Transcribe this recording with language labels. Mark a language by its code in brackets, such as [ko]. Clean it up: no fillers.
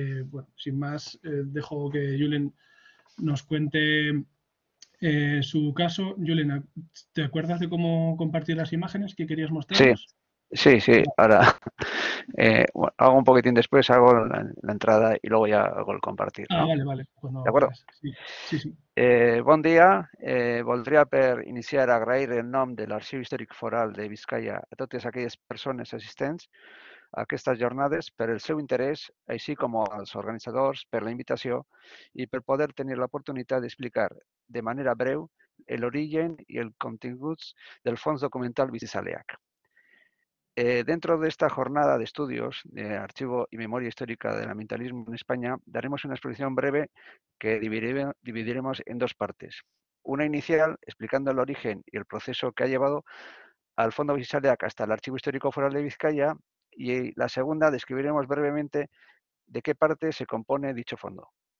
[es] Bueno, sin más, dejo que Julen nos cuente su caso. Julen, ¿te acuerdas de cómo compartir las imágenes que querías mostrar? Sí, ahora bueno, hago un poquitín después, hago la entrada y luego ya hago el compartir, ¿no? Ah, vale. Pues no, ¿de acuerdo? Sí. Buen día. [ca] Voldria per iniciar a agrair el nom de l'Arxiu Històric Foral de Vizcaya a totes aquelles persones assistents a aquestes jornades per el seu interès, així com als organitzadors per la invitació i per poder tenir l'oportunitat d'explicar de manera breu l'origen i el contingut del fons documental Bizizaleak. [es] Dentro de esta jornada de estudios de Archivo y Memoria Histórica del Ambientalismo en España, daremos una exposición breve que dividiremos en dos partes. Una inicial, explicando el origen y el proceso que ha llevado al Fondo Bizizaleak hasta el Archivo Histórico Foral de Vizcaya, y la segunda, describiremos brevemente de qué parte se compone dicho fondo.